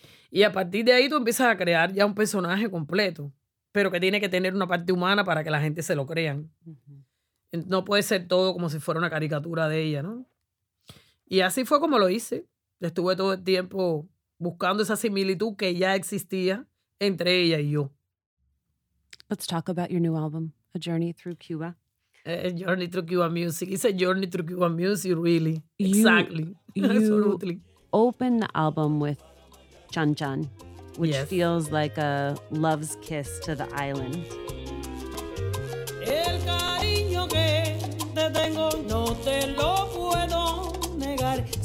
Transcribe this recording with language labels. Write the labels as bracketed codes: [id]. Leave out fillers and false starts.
[es] Y a partir de ahí tú empiezas a crear ya un personaje completo, pero que tiene que tener una parte humana para que la gente se lo crean. Uh-huh. No puede ser todo como si fuera una caricatura de ella, ¿no? Y así fue como lo hice. Estuve todo el tiempo buscando esa similitud que ya existía entre ella y yo. [en] Let's talk about your new album, A Journey Through Cuba. Journey Through Cuba Music. It's a journey through Cuba music, really. Exactly. Absolutely. Open the album with Chan Chan, which feels like a love's kiss to the island. [es] El cariño que te tengo no te lo puedo negar.